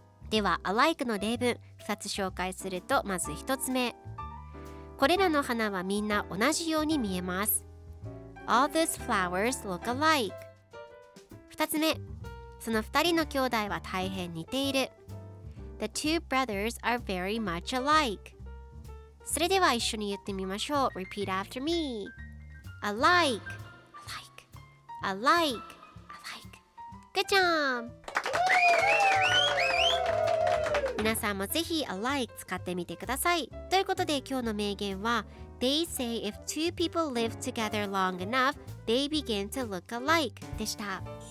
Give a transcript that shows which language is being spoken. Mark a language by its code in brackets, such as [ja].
[ja] では alike の例文2つ紹介すると、まず1つ目、これらの花はみんな同じように見えます。 [en] All these flowers look alike。 [ja] 2つ目、その2人の兄弟は大変似ている。 [en] The two brothers are very much alike. [ja] それでは一緒に言ってみましょう。 [en] Repeat after me. Alike. Alike. Alike. Alike. Good job! [ja] 皆さんもぜひ Alike 使ってみてください。ということで今日の名言は [en] They say if two people live together long enough, they begin to look alike [ja] でした。